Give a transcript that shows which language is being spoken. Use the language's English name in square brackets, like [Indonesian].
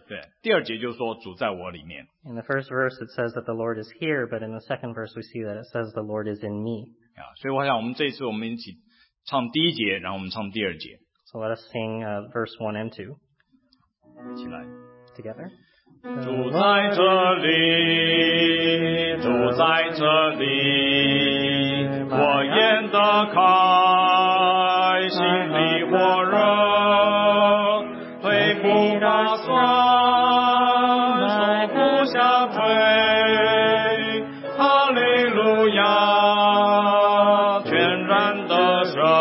[Chinese] 好吧，我们这次我们可以，我想我们第一节他是说主在我里，主在这里，对，第二节就是说主在我里面。 [English] In the first verse it says that the Lord is here, but in the second verse we see that it says the Lord is in me. Yeah. [Chinese] 所以我想我们这次我们一起唱第一节，然后我们唱第二节。 [English] So let us sing verse 1 and 2. [Chinese] 一起来。 [English] Together. [Chinese] 主在这里， 主在这里， 我眼得开， 心里火热， 肺腑打酸， 手不下垂， 哈利路亚， 全然的神。